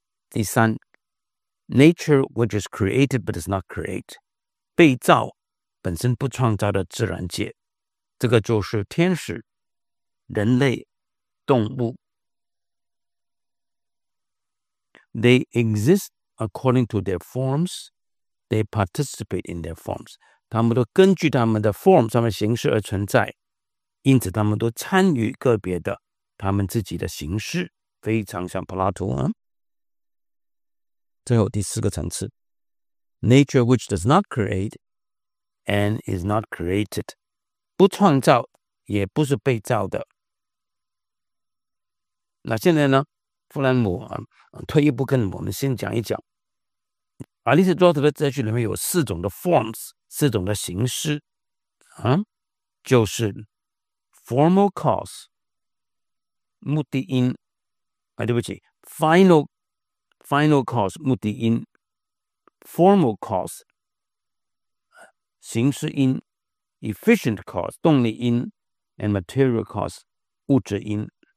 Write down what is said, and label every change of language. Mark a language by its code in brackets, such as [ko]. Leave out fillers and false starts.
[zh] 第三， [en] Nature which is created but does not create， [zh] 被造本身不创造的自然界，这个就是天使、人类、动物。 [en] They exist according to their forms. They participate in their forms. [zh] 他们都根据他们的 form 上面形式而存在，因此他们都参与个别的他们自己的形式，非常像柏拉图啊。最后第四个层次， [en] Nature which does not create and is not created， [zh] 不创造也不是被造的。那现在呢，弗兰姆退一步跟我们先讲一讲阿里斯多德的哲学里面有四种的 forms， 四种的形式就是 formal cause， 目的因对不起 final cause 目的因， formal cause 形式因， efficient cause 动力因， and material cause 物质因。